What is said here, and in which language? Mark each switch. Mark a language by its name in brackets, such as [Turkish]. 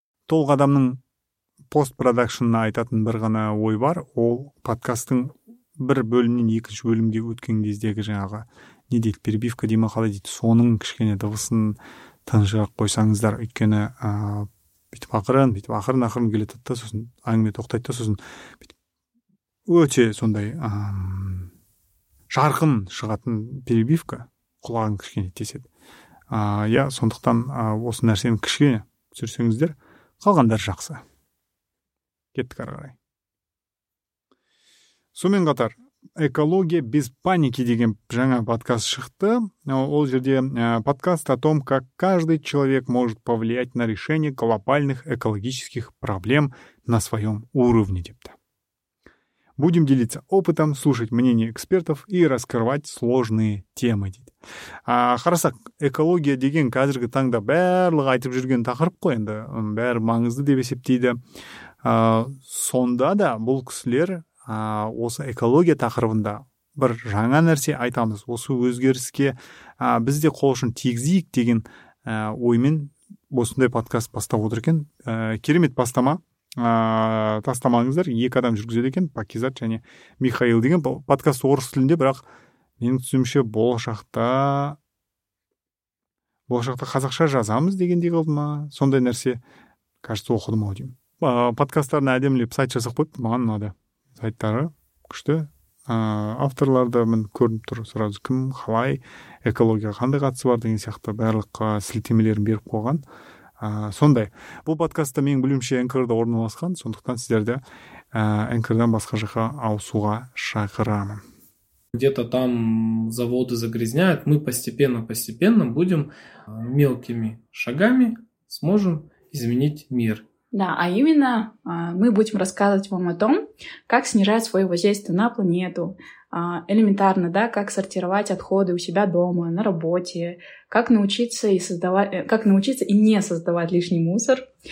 [Kazakh] Толық Адамның постпродакшнына айтатын бір ғана ой бар, ол подкастың бір бөлімнен екінші бөлімге өткен кездегі жаңағы не дейді, перебивка дей ма, қалай дейді, соның кішкене дыбысын тыншырақ қойсаңыздар, өйткені бүйтіп ақырын, бүйтіп ақырын ақырын келеді да, сосын әңгіме тоқтайды да, сосын өте сондай жарқын шығатын перебивка құлағын кішкене теседі. Сондықтан осы нәрсені кішкене түсірсеңіздер, қалғандар жақсы. Кеттік ары қарай. Сонымен қатар [Russian] «Экология без паники» [Kazakh] деген жаңа подкаст шықты. Ол жерде подкаст [Russian] о том, как каждый человек может повлиять на решение глобальных экологических проблем на своем уровне, [Kazakh] депті. [Russian] Будем делиться опытом, слушать мнение экспертов и раскрывать сложные темы, [Kazakh] дейді. Қараса, экология деген қазіргі таңда бәрлігі айтып жүрген тақырып қой, енді бәрі маңызды деп есептейді. Сонда да бұл кісілер осы экология тақырыбында бір жаңа нәрсе айтамыз, осы өзгеріске бізде қол ұшын тигізейік деген оймен осындай подкаст бастап отыр екен. Керемет бастама. Тастамаңыздар, екі адам жүргізеді екен, Пакизат және Михаил деген. Подкаст орыс тілінде, бірақ менің түсінімше болашақта қазақша жазамыз дегендей қылды ма, сондай нәрсе, кажется, оқыдым ау деймін. Подкасттарын әдемілеп сайт жасап қойыпты, маған ұнады. Сайттары күшті. Авторларды мен көрініп тұр сразу, кім қалай, экологияға қандай қатысы бар деген сияқты барлық сілтемелерін беріп қойған. Сондай, бұл подкастта менің білімше Anchor-да орналасқан, сондықтан сіздерді Anchor-дан басқа жаққа ауысуға шақырамын. [Russian] где-то там заводы загрязняют, мы постепенно-постепенно будем мелкими шагами сможем изменить мир. Да, а именно мы будем рассказывать вам о том, как снижать свое воздействие на планету, элементарно, да, как сортировать отходы у себя дома, на работе, как научиться и создавать, как научиться и не создавать лишний мусор,